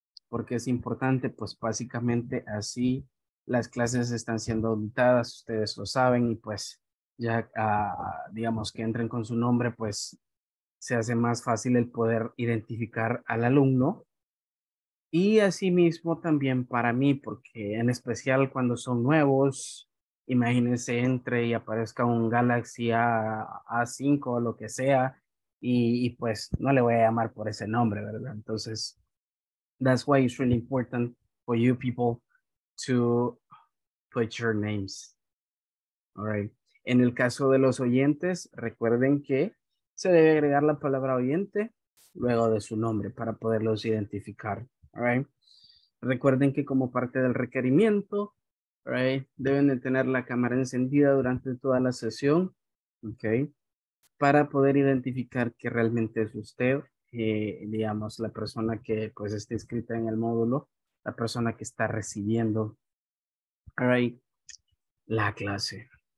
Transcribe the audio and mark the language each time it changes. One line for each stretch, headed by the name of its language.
Spanish: Porque es importante, pues básicamente así las clases están siendo auditadas, ustedes lo saben, y pues ya, digamos, que entren con su nombre, pues se hace más fácil el poder identificar al alumno. Y asimismo también para mí, porque en especial cuando son nuevos, imagínense, entre y aparezca un Galaxy A5 o lo que sea, y pues no le voy a llamar por ese nombre, ¿verdad?
English: Entonces, that's why it's really important for you people to put your names, all right?
Spanish: En el caso de los oyentes, recuerden que se debe agregar la palabra oyente luego de su nombre para poderlos identificar.
English: All right.
Spanish: Recuerden que como parte del requerimiento, right, deben de tener la cámara encendida durante toda la sesión, okay, para poder identificar que realmente es usted, digamos, la persona que pues está inscrita en el módulo, la persona que está recibiendo, all right, la clase.